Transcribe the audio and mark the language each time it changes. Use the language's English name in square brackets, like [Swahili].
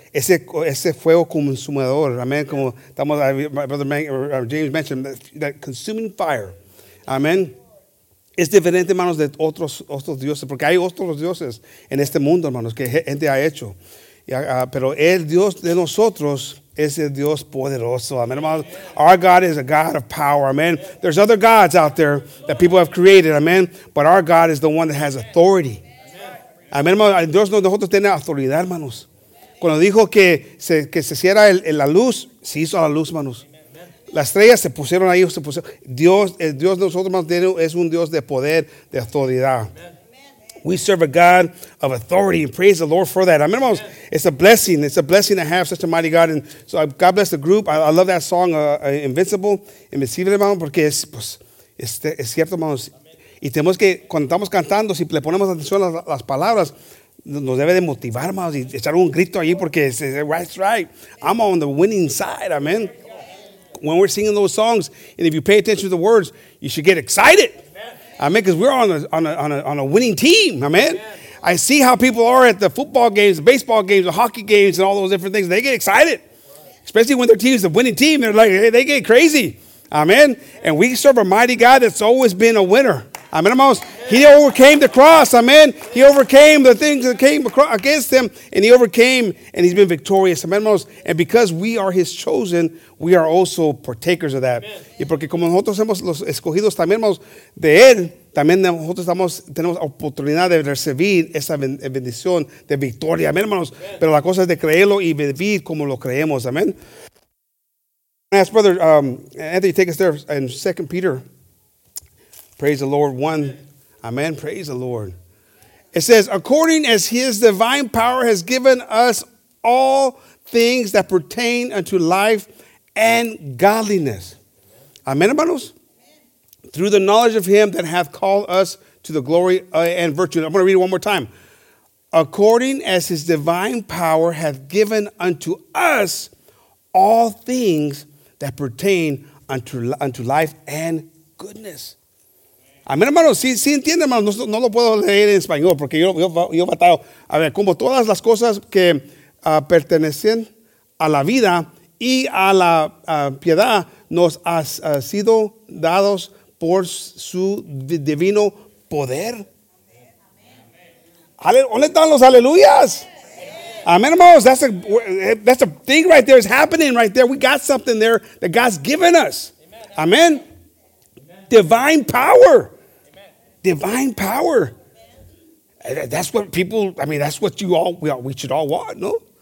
[Spanish] Ese fuego consumador, amén. Como estamos, [English] my brother James mentioned, that consuming fire. [Spanish] Amén. Es diferente, hermanos, de otros dioses, porque hay otros dioses en este mundo, hermanos, que gente ha hecho. Pero el Dios de nosotros es el Dios poderoso. [English] Amen, hermanos. Our God is a God of power. Amen. There's other gods out there that people have created. Amen. But our God is the one that has authority. [Spanish] Amen, hermanos. Dios de nosotros tiene autoridad, hermanos. Cuando dijo que se hiciera la luz, se hizo la luz, hermanos. Las estrellas se pusieron ahí. Se pusieron. Dios, el Dios de nosotros, hermanos, es un Dios de poder, de autoridad. [English] We serve a God of authority, and praise the Lord for that. Amen, hermanos. It's a blessing. It's a blessing to have such a mighty God. And so God bless the group. I love that song, Invincible. [Spanish] Invincible, hermanos, porque es cierto, hermanos. Y tenemos que, cuando estamos cantando, si le ponemos atención a las palabras, nos debe de motivar, hermanos, y echar un grito allí porque es right. [English] I'm on the winning side, amen. When we're singing those songs, and if you pay attention to the words, you should get excited. I mean, because we're on a winning team, amen. I see how people are at the football games, the baseball games, the hockey games, and all those different things. They get excited, especially when their team is the winning team. They're like, hey, they get crazy, amen. And we serve a mighty God that's always been a winner. Amen, hermanos. He overcame the cross, amen. He overcame the things that came against him, and he overcame, and he's been victorious, amen, hermanos. And because we are his chosen, we are also partakers of that. [Spanish] Amen. Y porque como nosotros somos los escogidos también, hermanos, de él, también nosotros tenemos oportunidad de recibir esa bendición de victoria, amen, hermanos. Amen. Pero la cosa es de creerlo y vivir como lo creemos, amen. [English] Ask brother Anthony, take us there in 2 Peter. Praise the Lord. One. Amen. Praise the Lord. It says, according as his divine power has given us all things that pertain unto life and godliness. Amen, hermanos. Through the knowledge of him that hath called us to the glory and virtue. I'm going to read it one more time. According as his divine power hath given unto us all things that pertain unto life and goodness. [Spanish] Amén, hermanos, sí entiende, hermanos, no lo puedo leer en español porque yo batallo. A ver, como todas las cosas que pertenecen a la vida y a la piedad nos ha sido dados por su divino poder. Amén. ¿Dónde están los aleluyas? [English] Amén, hermanos, that's a thing right there, it's happening right there. We got something there that God's given us. Amén. Divine power. Divine power. That's what people, I mean, that's what we should all want, no?